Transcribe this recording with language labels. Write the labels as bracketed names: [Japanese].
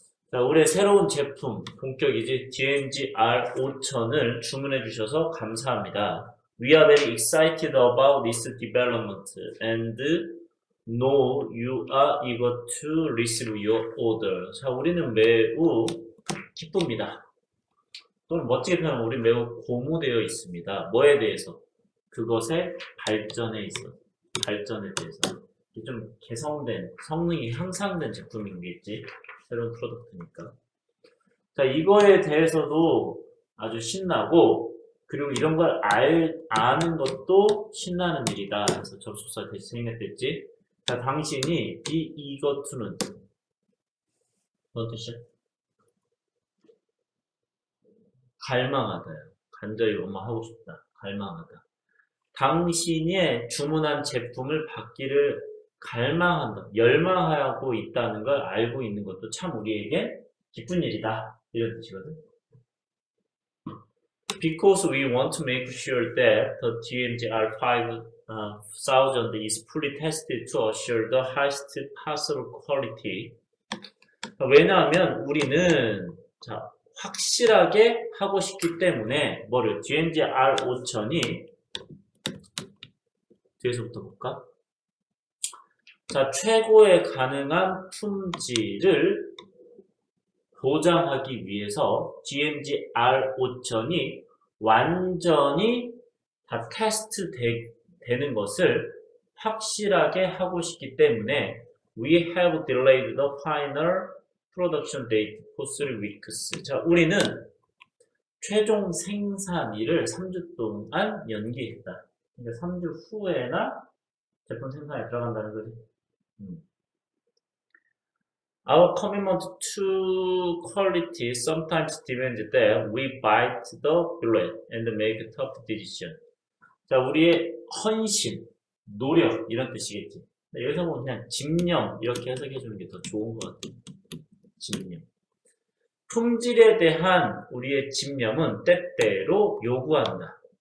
[Korean] 자, 올해 새로운 제품, 본격이지, DMG-R5000을 주문해 주셔서 감사합니다. [English] We are very excited about this development and know you are eager to receive your order. [Korean] 자, 우리는 매우 기쁩니다. 또 멋지게 표현하면 우리 매우 고무되어 있습니다. 뭐에 대해서? 그것의 발전에 있어. 발전에 대해서. 좀 개선된, 성능이 향상된 제품이겠지. 새로운 프로덕트니까. 자, 이거에 대해서도 아주 신나고, 그리고 이런 걸 아는 것도 신나는 일이다. 그래서 접속사 생각됐지. 자, 당신이 이것은 어떤 뜻이야? 갈망하다요. 간절히 원망하고 싶다. 갈망하다. 당신의 주문한 제품을 받기를 갈망한다, 열망하고 있다는 걸 알고 있는 것도 참 우리에게 기쁜 일이다. 이런 뜻이거든. [English] Because we want to make sure that the DMG-R5000 is fully tested to assure the highest possible quality. [Korean] 왜냐하면 우리는 자, 확실하게 하고 싶기 때문에 뭐를 DMG-R5000이 뒤에서부터 볼까? 자, 최고의 가능한 품질을 보장하기 위해서 DMG-R5000이 완전히 다 테스트되는 것을 확실하게 하고 싶기 때문에 [English] We have delayed the final production date for 3 weeks. [Korean] 자, 우리는 최종 생산일을 3주 동안 연기했다. 그러니까 3주 후에나 제품 생산에 들어간다는 거지. [English] Our commitment to quality sometimes demands that we bite the bullet and make tough decision. [Korean] 자, 우리의 헌신, 노력 이런 뜻이겠지. 여기서 보면 그냥 집념 이렇게 해석해 주는 게더 좋은 것 같아요. 집념. 품질에 대한 우리의 집념은 때때로 요구한다.